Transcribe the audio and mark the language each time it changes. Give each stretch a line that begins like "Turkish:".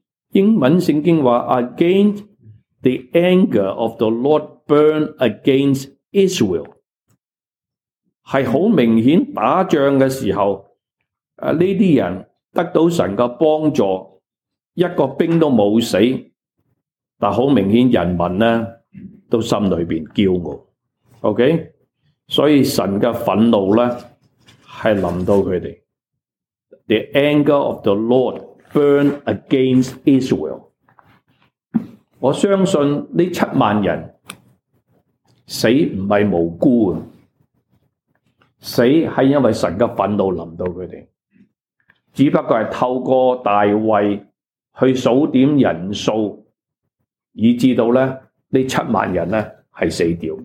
Chinese: 英文圣经话 ：
English: Again, the anger of the Lord burned against Israel，
Chinese: 是很明显打仗的时候，这些人得到神的帮助，一个兵都没有死，但很明显人民呢都心里面骄傲。 OK， 所以神的愤怒呢是临到他们。
English: The anger of the Lord burned against Israel。
Chinese: 我相信这70,000人死不是无辜的，死是因为神的愤怒临到他们，只不过是透过大卫去数点人数，以致到呢这70,000人呢是死掉。